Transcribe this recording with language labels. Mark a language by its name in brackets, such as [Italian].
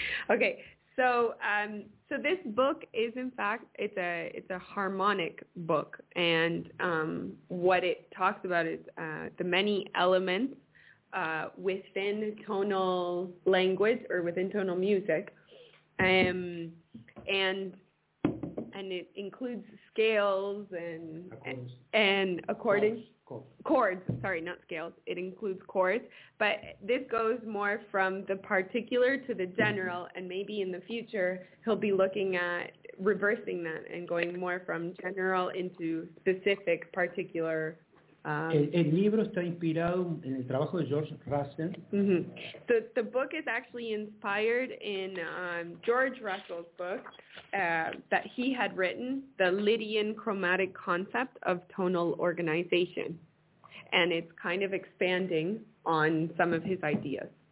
[English] Okay, so so this book is in fact it's a harmonic book, and what it talks about is the many elements within tonal language or within tonal music, and it includes scales and accordions. Chords, sorry, not scales. It includes chords. But this goes more from the particular to the general, and maybe in the future he'll be looking at reversing that and going more from general into specific, particular. [Spanish] El libro está inspirado en el trabajo de George Russell. Mm-hmm. [English] The book is actually inspired in George Russell's book that he had written, The Lydian Chromatic Concept of Tonal Organization. And it's kind of expanding on some of his ideas.